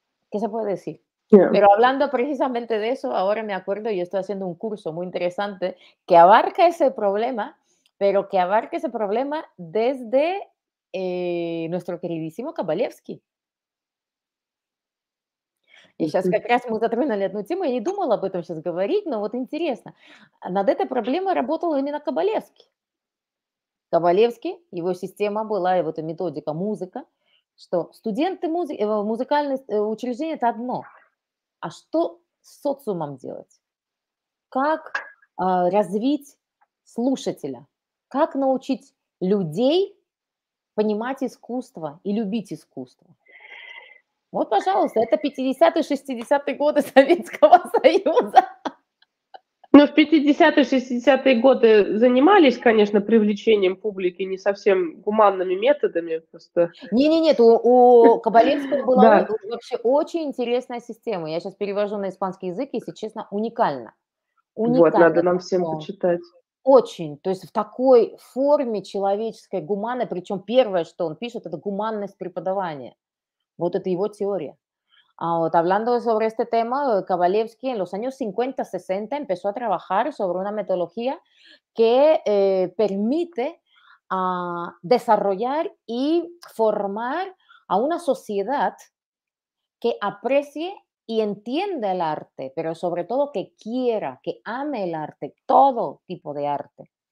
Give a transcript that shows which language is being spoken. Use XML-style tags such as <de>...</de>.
<es>¿Qué se puede decir? Yeah. Pero hablando precisamente de eso, ahora me acuerdo, yo estoy haciendo un curso muy interesante que abarca ese problema, pero que abarca ese problema desde nuestro queridísimo Kabalevsky.</es> <ru>И сейчас как раз мы затронули одну тему, я не думала об этом сейчас говорить, но вот интересно, над этой проблемой работал именно Кабалевский. Кабалевский, его система была, и вот эта методика музыка, что студенты музыкальные учреждения – это одно. А что с социумом делать? Как развить слушателя? Как научить людей понимать искусство и любить искусство? Вот, пожалуйста, это 50-е, 60-е годы Советского Союза. Ну, в 50-е, 60-е годы занимались, конечно, привлечением публики не совсем гуманными методами. Просто. Нет, у Кабалевского была вообще очень интересная система. Я сейчас перевожу на испанский язык, если честно, уникально. Вот, надо нам всем почитать. Очень, то есть в такой форме человеческой, гуманной, причем первое, что он пишет, это гуманность преподавания. Вот это его теория.</ru> <es>Вот, hablando sobre este tema, Kabalevsky en los años 50-60 empezó a trabajar sobre una metodología que permite desarrollar y formar a una sociedad que aprecie y entienda el arte, pero sobre todo que quiera, que ame el arte, todo tipo de arte.</es>